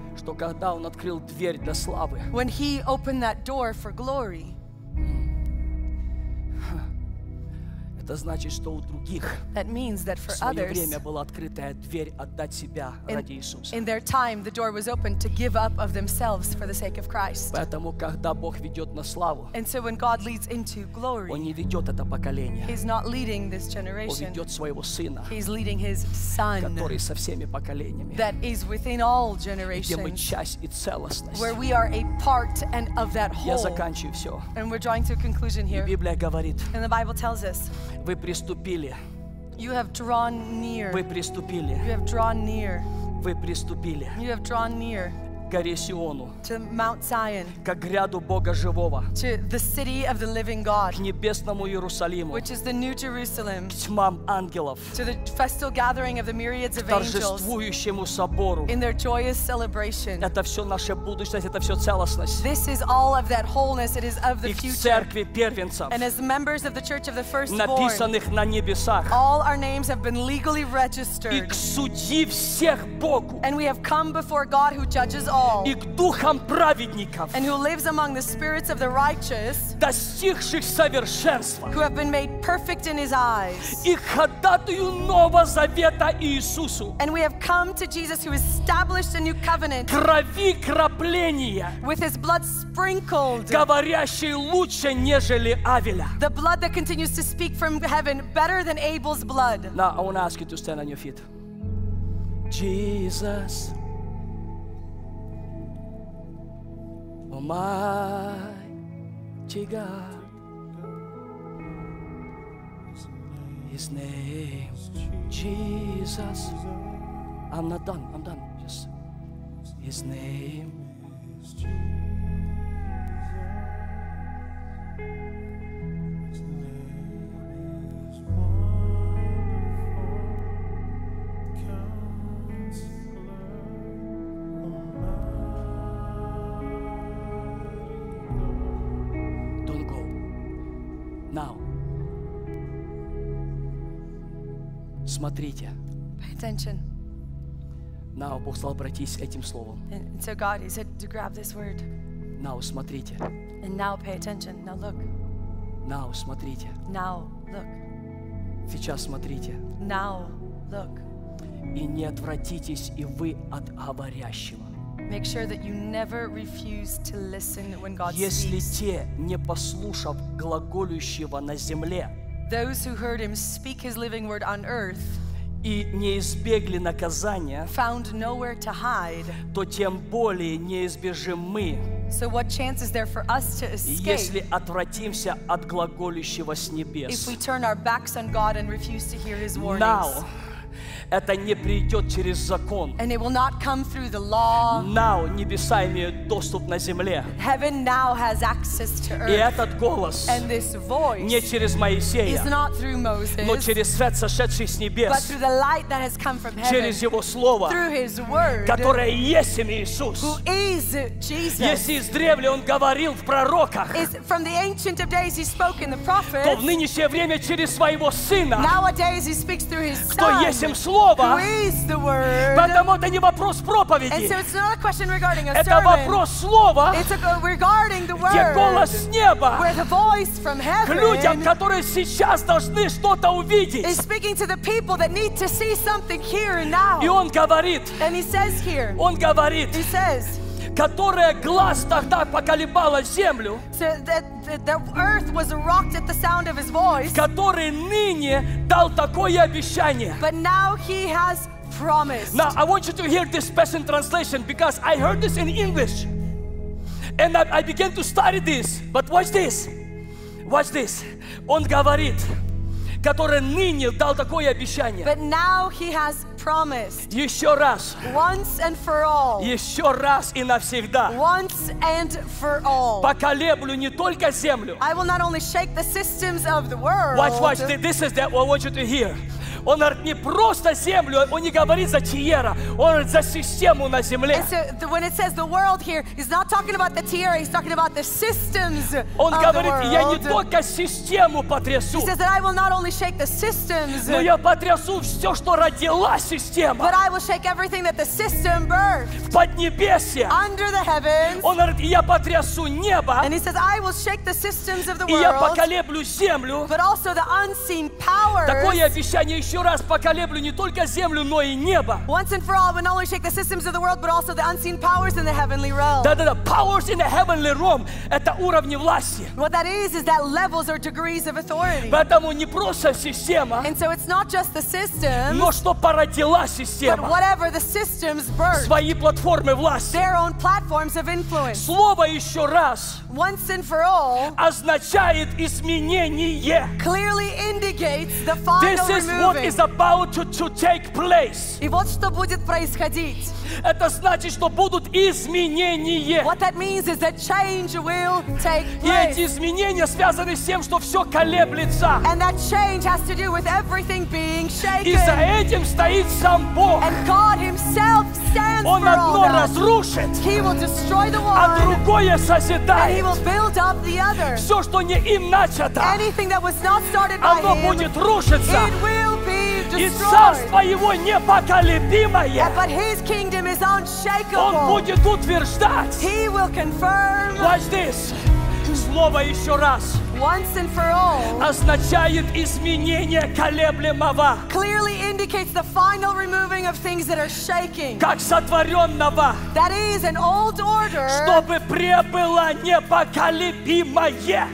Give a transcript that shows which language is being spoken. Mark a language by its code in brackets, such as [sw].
[ru] что когда Он открыл дверь для славы, [en] when He opened that door for glory, [ru] это значит, что у других [en] that means that for others, [ru] в свое время была открытая дверь отдать себя [en] in, [ru] ради Иисуса. [en] In their time, the door was opened to give up of themselves for the sake of Christ. [ru] Поэтому, когда Бог ведет на славу, [en] and so when God leads into glory, [ru] Он не ведет это поколение. [en] He's not leading this generation. [ru] Он ведет своего сына, [en] He's leading His Son, [ru] который со всеми поколениями, [en] that is within all generations, [ru] где мы часть и целостность, [en] where we are a part and of that whole. [ru] Я заканчиваю все. [en] And we're drawing to a conclusion here. [ru] И Библия говорит, [en] and the Bible tells us, [ru] вы приступили. [en] You have drawn near. [ru] Вы приступили. [en] You have drawn near. [ru] Вы приступили. [en] You have drawn near. [ru] горе Сиону, [en] to Mount Zion, [ru] к гряду Бога живого, [en] to the city of the living God, [ru] к небесному Иерусалиму, [en] which is the new Jerusalem, [ru] к тьмам ангелов, [en] to the festal gathering of the myriads of [ru] к торжествующему собору, [en] in their joyous celebration. [ru] Это все наша будущность, это все целостность. [en] This is all of that wholeness. It is of the [ru] и [en] future. [ru] И церкви первенцев, [en] and as members of the church of the firstborn, [ru] написанных на небесах, [en] all our names have been legally registered. [ru] И к судьи всех Богу, [en] and we have come before God who judges [ru] и к духам праведников, [en] and who lives among the spirits of the righteous, [ru] достигших совершенства, [en] who have been made perfect in his eyes, [ru] и ходатаю нового завета Иисусу, [en] and we have come to Jesus who established a new covenant, [ru] крови кропления, [en] with his blood sprinkled, [ru] говорящий лучше, нежели Авеля, [en] the blood that continues to speak from heaven better than Abel's blood. Now I want to ask you to stand on your feet. Jesus, Almighty God, His name, Jesus. I'm not done, I'm done. Just His name is Jesus. His name is wonderful, [ru] смотрите. [en] Pay attention. [ru] Now, Бог стал обратись этим словом. [en] And so God, he said to grab this word. [ru] Now, смотрите. [en] And now, pay attention. Now, look. [ru] Now, смотрите. [en] Now, look. [ru] Сейчас смотрите. [en] Now, look. [ru] И не отвратитесь и вы от говорящего. [en] Make sure that you never refuse to listen when God [ru] если [en] speaks. [ru] Если те, не послушав глаголющего на земле, [en] those who heard him speak his living word on earth [ru] и не избегли наказания, [en] found nowhere to hide, [ru] то тем более не избежим мы, [en] so what chance is there for us to escape, [ru] если отвратимся от глаголющего с небес, [en] if we turn our backs on God and refuse to hear his warnings. [ru] Now, это не придет через закон. [en] And it will not come through the law. [ru] Now, небеса имеют доступ на земле. [en] Heaven now has access to earth. [ru] И этот голос, [en] and this voice, [ru] не через Моисея, [en] is not through Moses, [ru] но через свет, сошедший с небес, [en] but through the light that has come from heaven, [ru] через его слово, [en] through his word, [ru] которое есть имя Иисус. [en] Who is Jesus. [ru] Если издревле он говорил в пророках, [en] is from the ancient of days he spoke in the prophets, [ru] то в нынешнее время через своего сына, [en] nowadays he speaks through his [ru] кто [en] son, [ru] есть им слово, [en] who is the word, [ru] потому это не вопрос проповеди. [en] And so it's not a question regarding a [ru] это [en] sermon. [ru] Вопрос слова, [en] it's a regarding the word, [ru] где голос неба, [en] where the voice from heaven, [ru] к людям, которые сейчас должны что-то увидеть, [en] is speaking to the people that need to see something here and now. [ru] И он говорит, [en] and he says here, [ru] он говорит, [en] he says, [ru] которое глаз тогда поколебало землю, [en] so that earth was rocked at the sound of his voice, [ru] который ныне дал такое обещание. [en] But now he has promised. Now I want you to hear this passion translation because I heard this in English. And I began to study this. But watch this. Watch this. [ru] Он говорит, который ныне дал такое обещание. [en] But now he has promised. [ru] Еще раз. [en] Once and for all. [ru] Еще раз и навсегда. [en] Once and for all. [ru] Поколеблю не только землю. [en] I will not only shake the systems of the world. Watch, watch. This is that what I want you to hear. [ru] Он говорит не просто землю, он не говорит за Тиера, он говорит за систему на земле. [en] And so when it says the world here, he's not talking about the Tiera, he's talking about the systems of the world. [ru] Он говорит, я не только систему потрясу. [en] He says that I will not only shake the systems, [ru] но я потрясу все, что родила система. [en] But I will shake everything that the system birthed. [ru] В поднебесье. [en] Under the heavens. [ru] Он говорит, я потрясу небо. [en] And he says I will shake the systems of the world. [ru] И я поколеблю землю. [en] But also the unseen powers. [ru] Такое обещание. Еще раз поколеблю не только землю, но и небо. [en] Once and for all, we not only shake the systems of the world, but also the unseen powers in the heavenly realm. [ru] Да-да-да, [en] powers in the heavenly realm — [ru] это уровни власти. [en] What that is that levels or degrees of authority. [ru] Поэтому не просто система. [en] And so it's not just the systems. [ru] Но что породила система? [en] But whatever the systems birth. [ru] Свои платформы власти. [en] Their own platforms of influence. [ru] Слово еще раз. [en] Once and for all. [ru] Означает изменение. [en] Clearly indicates the final. This is what is about to take place. [ru] И вот что будет происходить. Это значит, что будут изменения. [en] What that means is that change will take place. [ru] И эти изменения связаны с тем, что все колеблется. [en] And that change has to do with everything being shaken. [ru] И за этим стоит сам Бог. [en] And God himself stands [ru] Он [en] for [ru] одно разрушит, [en] he will destroy the one, [ru] а другое созидает. [en] And he will build up the other. [ru] Все, что не им начато, [en] anything that was not started [ru] оно [en] by him, [ru] будет рушиться. [en] It will be destroyed. [ru] И царство его непоколебимое. [en] Yeah, but his kingdom is unshakable. [ru] Он будет утверждать. [en] He will confirm. Watch this. [ru] Слово еще раз. [en] Once and for all. [ru] Означает изменение колеблемого. [en] Clearly indicates the final removing of things that are shaking. [ru] Как сотворенного. [en] That is an old order. [ru] Чтобы пребыло непоколебимое.